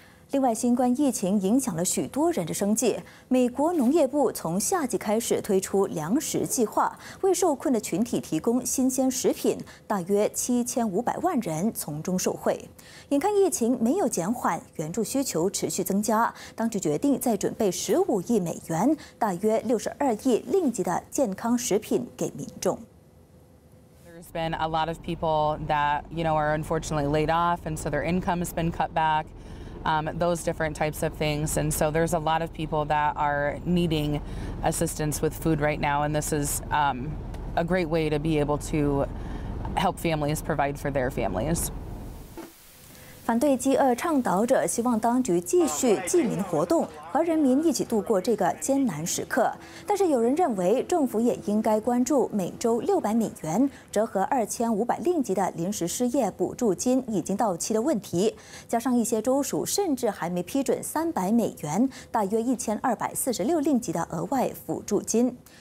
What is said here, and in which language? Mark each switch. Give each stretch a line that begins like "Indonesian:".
Chinese: 另外，新冠疫情影响了许多人的生计。美国农业部从夏季开始推出粮食计划，为受困的群体提供新鲜食品，大约7500万人从中受惠。眼看疫情没有减缓，援助需求持续增加，当局决定再准备15亿美元，大约62亿令吉的健康食品给民众。
English: There's been a lot of people that, you know, are unfortunately laid off, and so their income has been cut back. Those different types of things. And so there's a lot of people that are needing assistance with food right now. And this is a great way to be able to help families provide for their families.
Chinese: 反对饥饿倡导者希望当局继续济民活动，和人民一起度过这个艰难时刻。但是有人认为政府也应该关注每周600美元折合2500令吉的临时失业补助金已经到期的问题，加上一些州属甚至还没批准300美元大约1246令吉的额外补助金。